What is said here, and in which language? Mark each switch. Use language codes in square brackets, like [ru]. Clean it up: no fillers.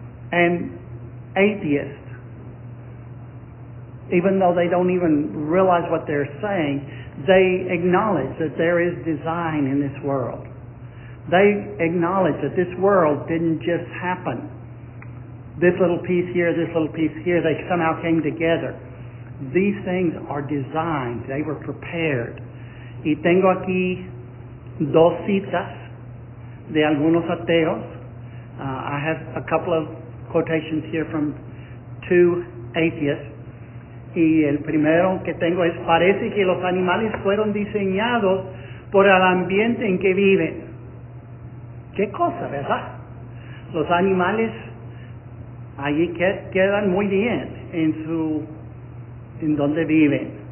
[en] And atheists, even though they don't even realize what they're saying, they acknowledge that there is design in this world. They acknowledge that this world didn't just happen. This little piece here, this little piece here, they somehow came together. These things are designed. They were prepared. [es] Y tengo aquí dos citas de algunos ateos. [en] I have a couple of quotations here from two atheists. [es] y el primero que tengo es, parece que los animales fueron diseñados por el ambiente en que viven. ¿Qué cosa, verdad? Los animales allí quedan muy bien en donde viven.